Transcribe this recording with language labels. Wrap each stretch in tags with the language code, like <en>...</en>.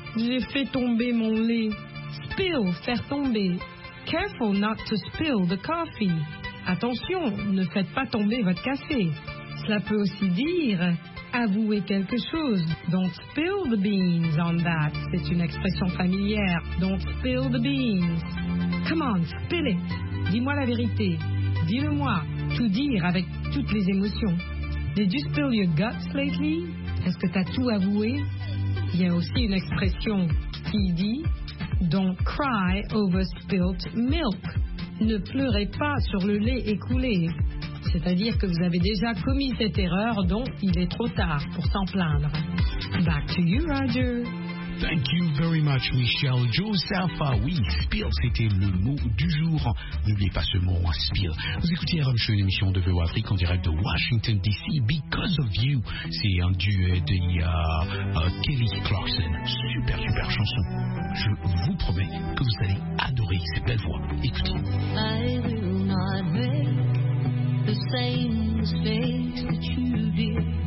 <fr>J'ai fait tomber mon lait. Spill, faire tomber.</fr> <en>Careful not to spill the coffee.</en> <fr>Attention, ne faites pas tomber votre café. Cela peut aussi dire avouer quelque chose.</fr> <en>Don't spill the beans on that.</en> <fr>C'est une expression familière.</fr> <en>Don't spill the beans. Come on, spill it.</en> <fr>Dis-moi la vérité. Dis-le-moi. Tout dire avec toutes les émotions.</fr> <en>Did you spill your guts lately?</en> <fr>Est-ce que t'as tout avoué? Il y a aussi une expression qui dit</fr> <en>don't cry over spilled milk.</en> <fr>Ne pleurez pas sur le lait écoulé. C'est-à-dire que vous avez déjà commis cette erreur, donc il est trop tard pour s'en plaindre.</fr> <en>Back to you, Roger. Thank you very much, Michel Joseph.</en> <fr>Oui, spill, c'était le mot du jour. N'oubliez pas ce mot, spill. Vous écoutez RM Show, une émission de VOA Afrique en direct de Washington, D.C. Because of You, c'est un duet de Kelly Clarkson. Super, super chanson. Je vous promets que vous allez adorer ces belles voix. Écoutez.</fr> <en>I will not make the same mistakes that you did.</en>